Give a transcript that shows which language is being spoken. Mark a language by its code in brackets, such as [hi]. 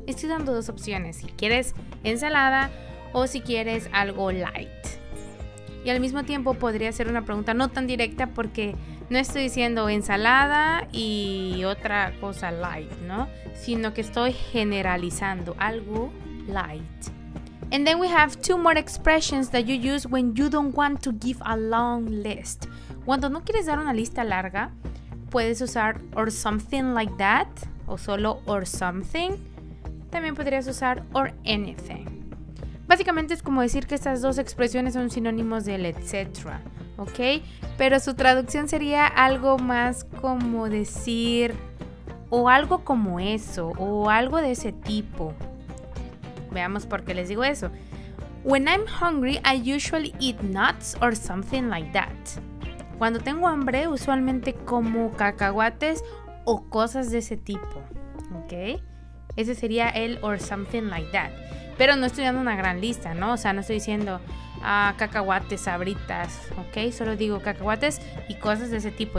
[es] Estoy dando dos opciones, si quieres ensalada o si quieres algo light. Y al mismo tiempo podría ser una pregunta no tan directa porque no estoy diciendo ensalada y otra cosa light, ¿no? Sino que estoy generalizando algo light. [en] And then we have two more expressions that you use when you don't want to give a long list. [es] Cuando no quieres dar una lista larga, puedes usar [en] or something like that, [es] o solo [en] or something. [es] También podrías usar [en] or anything. [es] Básicamente es como decir que estas dos expresiones son sinónimos del etc., ¿ok? Pero su traducción sería algo más como decir o algo como eso, o algo de ese tipo. Veamos por qué les digo eso. [en] When I'm hungry, I usually eat nuts or something like that. [es] Cuando tengo hambre, usualmente como cacahuates o cosas de ese tipo. ¿Ok? Ese sería el [en] or something like that. [es] Pero no estoy dando una gran lista, ¿no? O sea, no estoy diciendo cacahuates, sabritas. ¿Ok? Solo digo cacahuates y cosas de ese tipo.